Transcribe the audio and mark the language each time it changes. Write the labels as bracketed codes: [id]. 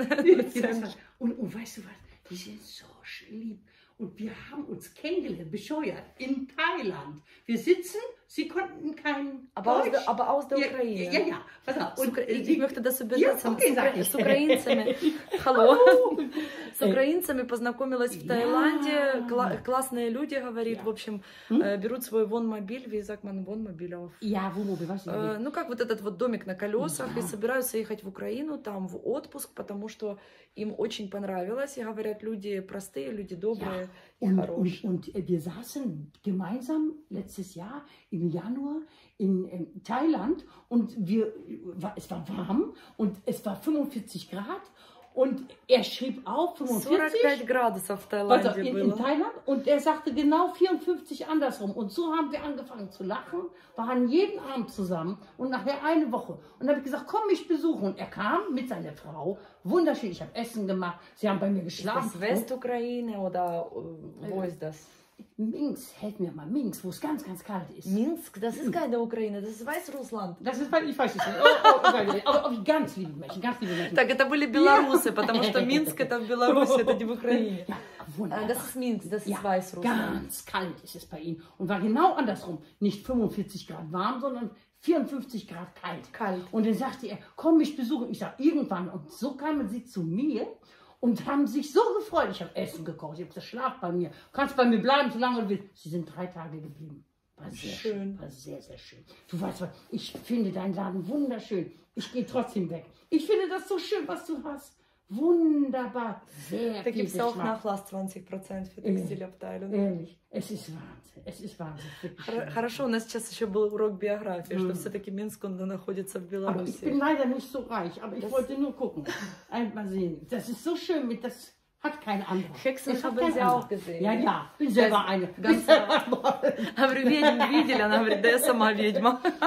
[de] und weißt du was? Die sind so lieb. Und wir haben uns kennengelernt, bescheuert, in Thailand. Wir sitzen, sie konnten kein Deutsch. Aber aus der Ukraine. Ja, ja, ja. Pass auf. Ich möchte das übersetzen. Ja, okay, [ru] с украинцами. [de] Hallo. [ru] С украинцами познакомилась в Таиланде. Классные люди, говорит. В общем, берут свой вон-мобиль. [de] Wie sagt man вон-мобиль auf? Ja, вон-мобиль. [ru] Ну, как вот этот вот домик на колесах. И собираются ехать в Украину, там, в отпуск, потому что им очень понравилось. И говорят, люди простые, люди добрые. [de] Und wir saßen gemeinsam letztes Jahr im Januar in Thailand und es war warm und es war 45 Grad und er schrieb auch 45 Grad auf Thailand, also in Thailand und er sagte genau 54 andersrum und so haben wir angefangen zu lachen, waren jeden Abend zusammen und nachher eine Woche und habe ich gesagt, komm mich besuchen und er kam mit seiner Frau, wunderschön, ich habe Essen gemacht, sie haben bei mir geschlafen. Ist das Westukraine oder wo ist das? Minsk, helf mir mal, Minsk, wo es ganz, ganz kalt ist. Minsk, das ist keine Ukraine, das ist Weißrussland. Das ist, ich weiß es nicht. Aber ganz liebe Menschen, ganz liebe Menschen. [ru] Так, это были белорусы, потому что Минск это в Беларуси, это не в Украине. [de] Das ist Minsk, das ist Weißrussland. Ganz kalt ist es bei Ihnen. Und war genau andersrum. Nicht 45 Grad warm, sondern 54 Grad kalt. Kalt. Und dann sagte er, komm mich besuchen. Ich sag, irgendwann. Und so kamen sie zu mir. Und haben sich so gefreut. Ich habe Essen gekocht, ich habe geschlafen bei mir. Kannst bei mir bleiben, solange du willst. Sie sind 3 Tage geblieben. War sehr schön. Du weißt was, ich finde deinen Laden wunderschön. Ich gehe trotzdem weg. Ich finde das so schön, was du hast. Wunderbar. Sehr da gibt es auch Nachlass 20% für die Textilabteilung. Ehrlich, es ist Wahnsinn. Es ist Wahnsinn. [ru] Хорошо, у нас сейчас еще был урок биографии, что все-таки Минск, он находится в Беларуси. [de] Ich bin leider nicht so reich, aber ich wollte nur gucken. Einmal sehen. Das ist so schön, mit das hat kein anderer. Hexen haben Sie auch gesehen. Ja, ja. Bin selber eine. Ganz normal. Aber [ru] Ведьм видели, она говорит, да я сама ведьма.